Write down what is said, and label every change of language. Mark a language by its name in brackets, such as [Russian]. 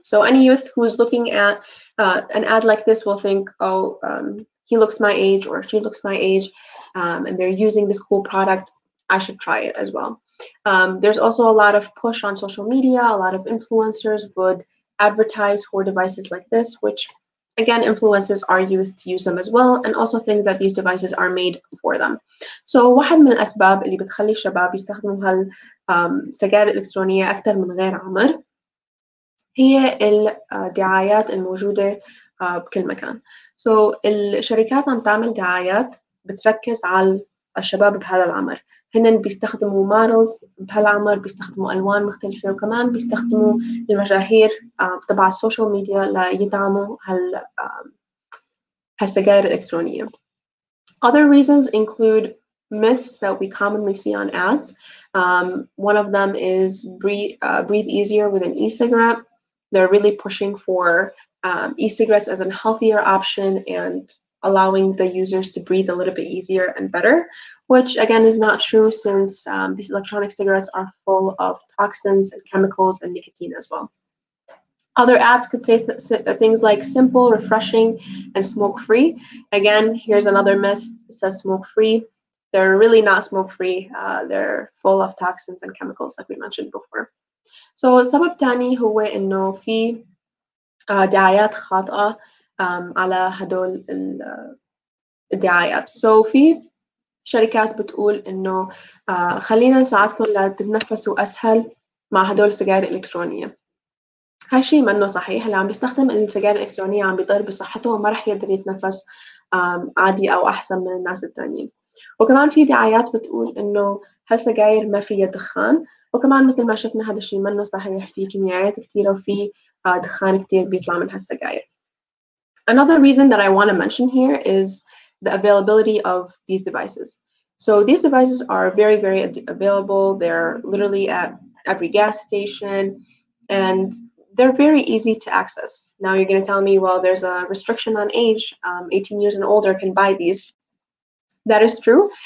[English] So any youth who is looking at an ad like this will think, oh, he looks my age or she looks my age, and they're using this cool product, I should try it as well. There's also a lot of push on social media. A lot of influencers would advertise for devices like this, which again influences our youth to use them as well, and also think that these devices are made for them. [Arabic] So واحد من الأسباب اللي بتخلي الشباب يستخدموا هالسجائر الإلكترونية أكثر من غير عمر هي الدعايات الموجودة بكل مكان. So الشركات عم تعمل دعايات بتركز على الشباب بهذا العمر. هن بيستخدموا models بهالعمر، بيستخدموا ألوان مختلفة، وكمان بيستخدموا المشاهير تبع السوشيال ميديا ليدعموا هالسجائر الإلكترونية. [English] Other reasons include myths that we commonly see on ads. One of them is breathe easier with an e-cigarette. They're really pushing for e-cigarettes as a healthier option and allowing the users to breathe a little bit easier and better, which again is not true since these electronic cigarettes are full of toxins and chemicals and nicotine as well. Other ads could say things like simple, refreshing, and smoke-free. Again, here's another myth, it says smoke-free. They're really not smoke-free. They're full of toxins and chemicals like we mentioned before. [Arabic] So سبب تاني هو إنه في دعايات خاطئة على هدول الدعايات. So في شركات بتقول إنه خلينا نساعدكم لتتنفسوا أسهل مع هدول السجائر الإلكترونية. هالشي منه صحيح. اللي عم بيستخدم السجائر الإلكترونية عم بيضر بصحته وما رح يقدر يتنفس عادي أو أحسن من الناس التانيين. وكمان في دعايات بتقول إنه هالسجائر ما فيها دخان. وكمان مثل ما شفنا هذا الشيء منه صحيح، في كيميائيات كتيرة وفي دخان كتير بيطلع من هالسجائر. [English] Another reason that I want to mention here is the availability of these devices. So these devices are very, very available. They're literally at every gas station and they're very easy to access. Now you're going to tell me, well, there's a restriction on age, 18 years and older can buy these. That is true.